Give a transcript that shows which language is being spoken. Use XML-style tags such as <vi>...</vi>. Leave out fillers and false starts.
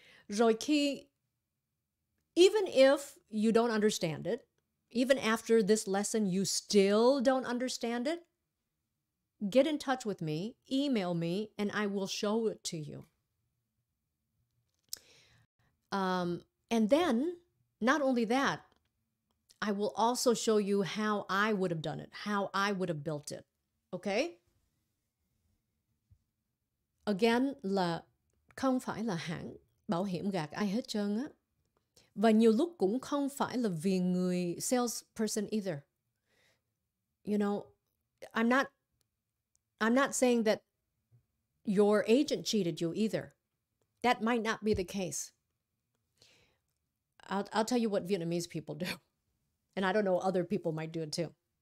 <vi>Rồi khi,</vi> <en>even if you don't understand it, even after this lesson, you still don't understand it, get in touch with me, email me, and I will show it to you. And then, not only that, I will also show you how I would have done it, how I would have built it, okay? Again,</en> <vi>là không phải là hãng bảo hiểm gạt ai hết trơn á. Và nhiều lúc cũng không phải là vì người salesperson</vi> <en>either. You know, I'm not saying that your agent cheated you either. That might not be the case. I'll tell you what Vietnamese people do. And I don't know, other people might do it too.</en>